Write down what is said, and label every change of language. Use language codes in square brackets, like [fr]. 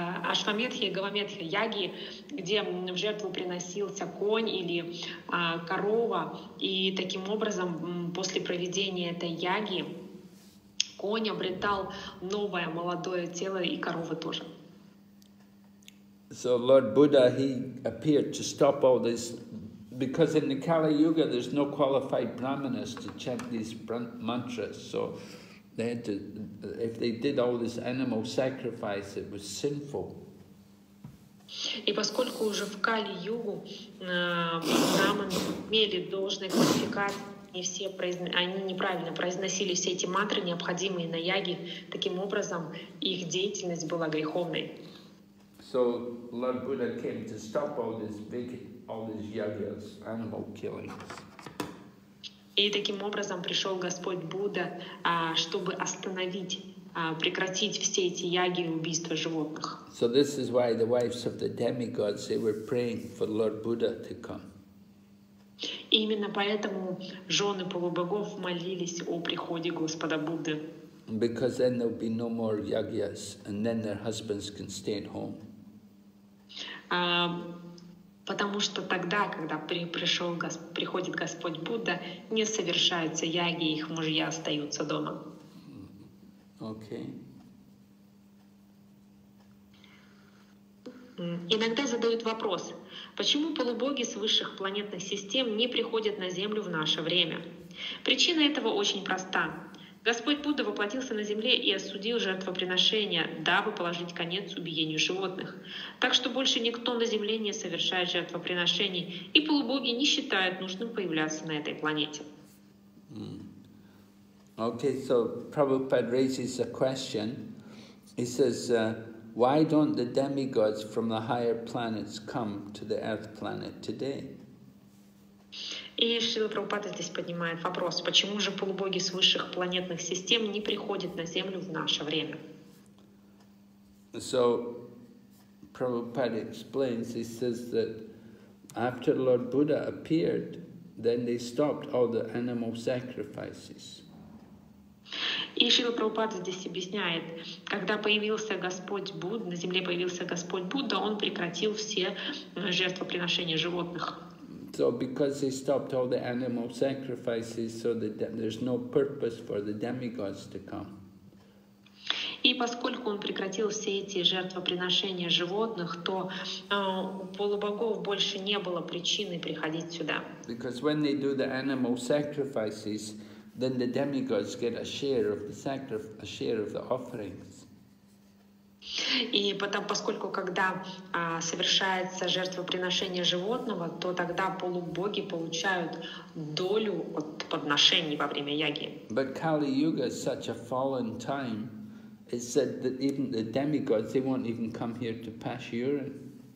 [ru] Ашвамедхи, Гавамедхи, Яги, где в жертву приносился конь или корова, и таким образом после проведения этой яги конь обретал новое молодое тело и корова тоже. [en] So Lord Buddha, he appeared to stop all this, because in the Kali Yuga there's no qualified brahmanas to chant these mantras. So they had to, if they did all this animal sacrifice, it was sinful. [ru] И поскольку уже в Кали Югу браманы имели должные квалификации, не все они неправильно произносили все эти мантры, необходимые на яги, таким образом их деятельность была греховной. [en] So Lord Buddha came to stop all these yagyas, animal killings. [ru] И таким образом пришел Господь Будда, чтобы остановить, прекратить все эти яги и убийства животных. [en] So this is why the wives of the demigods, they were praying for Lord Buddha to come. [ru] И именно поэтому жены полубогов молились о приходе Господа Будды. [en] Because then there'll be no more yagyas, and then their husbands can stay at home. [ru] Потому что тогда, когда приходит Господь Будда, не совершаются яги, их мужья остаются дома. [en] Okay. [ru] Иногда задают вопрос, почему полубоги с высших планетных систем не приходят на Землю в наше время? Причина этого очень проста. Господь Будда воплотился на земле и осудил жертвоприношения, дабы положить конец убиению животных. Так что больше никто на земле не совершает жертвоприношений, и полубоги не считают нужным появляться на этой планете. [en] Okay, so Prabhupada raises a question. He says, why don't the demigods from the higher planets come to the earth planet today? [ru] И Шрила Прабхупада здесь поднимает вопрос, почему же полубоги с высших планетных систем не приходят на Землю в наше время? [en] So, Prabhupada explains, he says that after Lord Buddha appeared, then they stopped all the animal sacrifices. [ru] И Шрила Прабхупада здесь объясняет, когда появился Господь Будда, на Земле появился Господь Будда, он прекратил все жертвоприношения животных. [en] So because they stopped all the animal sacrifices, so that there's no purpose for the demigods to come. [ru] И поскольку он прекратил все эти жертвоприношения животных, то у полубогов больше не было причины приходить сюда. [en] Because when they do the animal sacrifices, then the demigods get a share of the a share of the offerings. [ru] И потом, поскольку когда совершается жертвоприношение животного, то тогда полубоги получают долю от подношений во время яги. [en] But Kali Yuga is such a fallen time, it said that even the demigods, they won't even come here to pass urine.